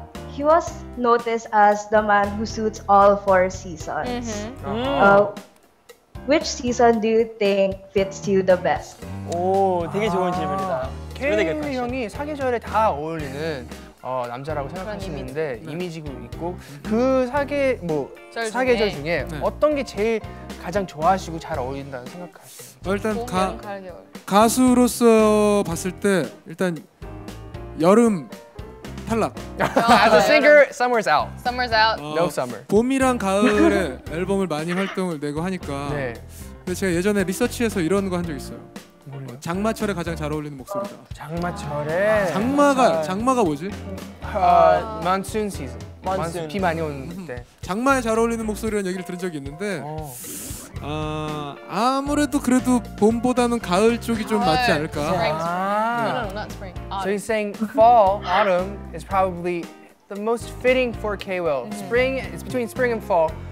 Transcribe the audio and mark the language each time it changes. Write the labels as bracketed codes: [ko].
[en] He was noticed as the man who suits all four seasons. Mm-hmm. Uh-huh. Which season do you think fits you the best? [ko] 오, 되게 좋은 질문이다. K.Will 형이 사계절에 다 어울리는 남자라고 생각하시는데 이미지고 있고 그 사계절 중에 어떤 게 제일 가장 좋아하시고 잘 어울린다고 생각하시나요? 일단 가수로서 봤을 때 일단 여름 탈락. [en] As a singer, summer's out. Summer's out. No summer. [ko] 봄이랑 가을에 앨범을 많이 활동을 내고 하니까. 네. 근데 제가 예전에 리서치해서 이런 거 한 적 있어요. 뭐예요? 장마철에 가장 잘 어울리는 목소리다. 장마철에. 장마가 뭐지? [en] Monsoon season. Monsoon. [ko] 비 많이 오는 때. 장마에 잘 어울리는 목소리라는 얘기를 들은 적이 있는데. 아무래도 그래도 봄보다는 가을 쪽이 좀 맞지 않을까? [en] No, not spring. So he's saying fall, autumn is probably the most fitting for K.Will. Spring, it's between spring and fall.